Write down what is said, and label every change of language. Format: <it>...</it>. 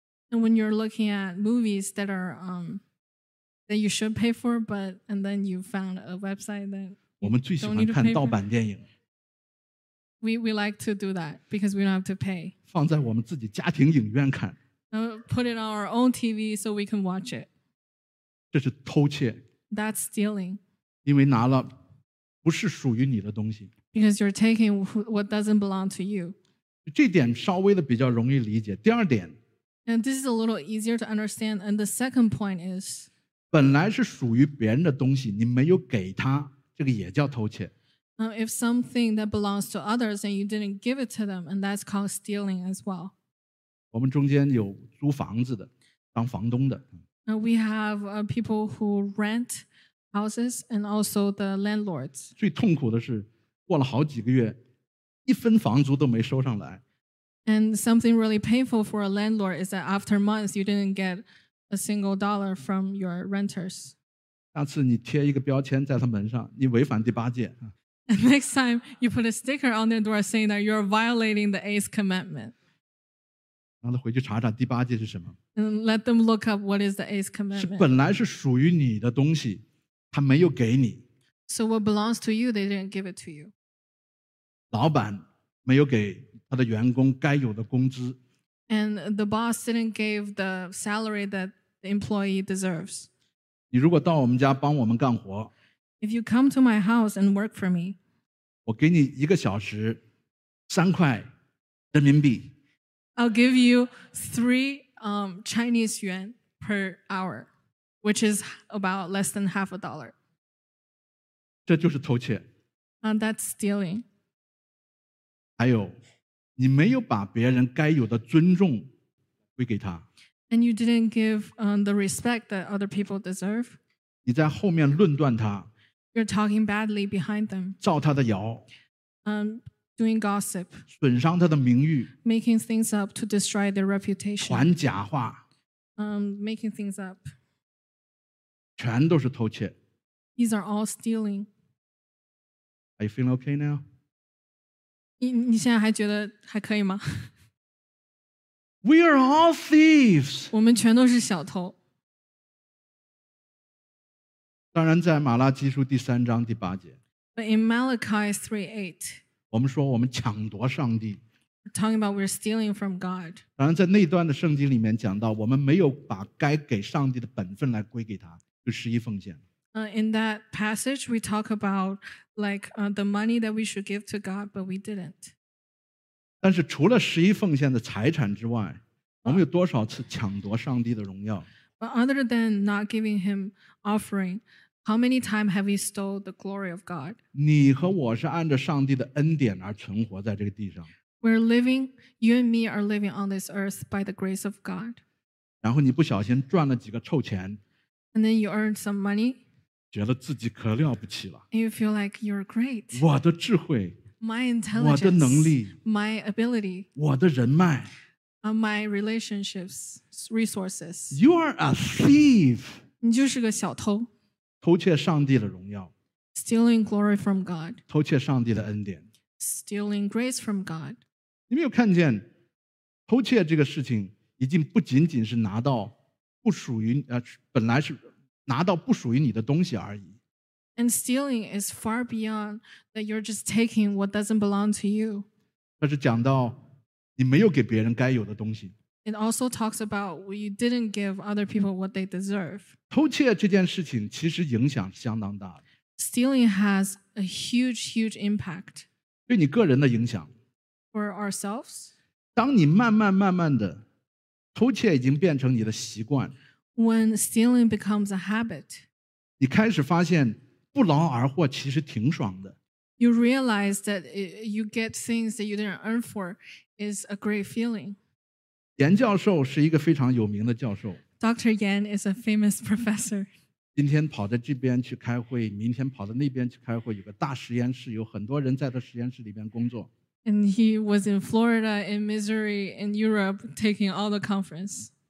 <en>And when you're looking at movies that are, that you should pay for, but, and then you found a website that...</en> <zh>我们最喜欢看盗版电影。</zh> <en>We like to do that because we don't have to pay.</en> <zh>放在我们自己家庭影院看。</zh> <en>Put it on our own TV so we can watch it.</en> <zh>这是偷窃。</zh> <en>That's stealing.</en> <zh>因为拿了不是属于你的东西。</zh> <en>Because you're taking what doesn't belong to you.</en> <zh>这点稍微的比较容易理解。第二点。</zh> <en>And this is a little easier to understand. And the second point is.</en> <zh>本来是属于别人的东西，你没有给他。这个也叫偷窃。</zh> <en>If something that belongs to others and you didn't give it to them, and that's called stealing as well.</en> <zh>我们中间有租房子的，当房东的。</zh> <en>We have people who rent houses and also the landlords.</en> <zh>最痛苦的是，过了好几个月，一分房租都没收上来。</zh> <en>And something really painful for a landlord is that after months you didn't get a single dollar from your renters.</en> <zh>下次你贴一个标签在他门上，你违反第八戒。</zh> <en>And next time you put a sticker on their door saying that you're violating the eighth commandment.</en> <zh>让他回去查查第八戒是什么。</zh> <en>And let them look up what is the eighth commandment.</en> <zh>是本来是属于你的东西，他没有给你。</zh> <en>So what belongs to you, they didn't give it to you.</en> <zh>老板没有给他的员工该有的工资。</zh> <en>And the boss didn't give the salary that the employee deserves.</en> <zh>你如果到我们家帮我们干活</zh> <en>If you come to my house and work for me,</en> <zh>我给你一个小时三块人民币</zh> <en>I'll give you 3 Chinese yuan per hour, which is about less than half a dollar.</en> <zh>这就是偷窃。</zh> <en>And that's stealing.</en> <zh>还有，你没有把别人该有的尊重归给他。</zh> <en>And you didn't give the respect that other people deserve.</en> <zh>你在后面论断他。</zh> <en>You're talking badly behind them.</en> <zh>造他的谣。</zh> <en>Doing gossip.</en> <zh>损伤他的名誉。</zh> <en>Making things up to destroy their reputation.</en> <zh>传假话。</zh> <en>Making things up.</en> <zh>全都是偷窃。</zh> <en>These are all stealing. Are you feeling okay now?</en> <zh>你现在还觉得还可以吗？</zh> <en>We are all thieves.</en> <zh>我们全都是小偷。当然在马拉基书第三章第八节。</zh> <en>But in Malachi 3:8,</en> <zh>我们说我们抢夺上帝。</zh> <en>We're talking about we're stealing from God.</en> <zh>当然在那段的圣经里面讲到我们没有把该给上帝的本分来归给他，就十一奉献。</zh> <en>In that passage, we talk about like, the money that we should give to God, but we didn't.</en> <zh>但是除了十一奉献的财产之外，我们有多少次抢夺上帝的荣耀？</zh> <en>But other than not giving him offering, how many times have we stole the glory of God?</en> <zh>你和我是按着上帝的恩典而存活在这个地上。</zh> <en>We're living, you and me are living on this earth by the grace of God.</en> <zh>然后你不小心赚了几个臭钱。</zh> <en>And then you earned some money.</en> <zh>觉得自己可了不起了。</zh> <en>You feel like you're great.</en> <zh>我的智慧。</zh> <en>My intelligence.</en> <zh>我的能力。</zh> <en>My ability.</en> <zh>我的人脉。</zh> <en>My relationships, resources. You are a thief.</en> <zh>你就是个小偷。偷窃上帝的荣耀。</zh> <en>Stealing glory from God.</en> <zh>偷窃上帝的恩典。</zh> <en>Stealing grace from God.</en> <zh>你没有看见，偷窃这个事情已经不仅仅是拿到不属于，本来是拿到不属于你的东西而已。</zh> <en>And stealing is far beyond that you're just taking what doesn't belong to you.</en> <zh>它是讲到你没有给别人该有的东西。</zh> <en>It also talks about you didn't give other people what they deserve.</en> <zh>偷窃这件事情其实影响相当大的。</zh> <en>Stealing has a huge, huge impact.</en> <zh>对你个人的影响。</zh> <en>For ourselves.</en> <zh>当你慢慢慢慢的，偷窃已经变成你的习惯。</zh> <en>When stealing becomes a habit,</en> <zh>你开始发现不劳而获其实挺爽的。</zh> <en>You realize that you get things that you didn't earn for is a great feeling.</en> <zh>严教授是一个非常有名的教授。</zh> <en>Dr. Yan is a famous professor.</en> <zh>今天跑到这边去开会，明天跑到那边去开会，有个大实验室，有很多人在这实验室里面工作。</zh> <en>And he was in Florida, in Missouri, in Europe, taking all the conference.</en>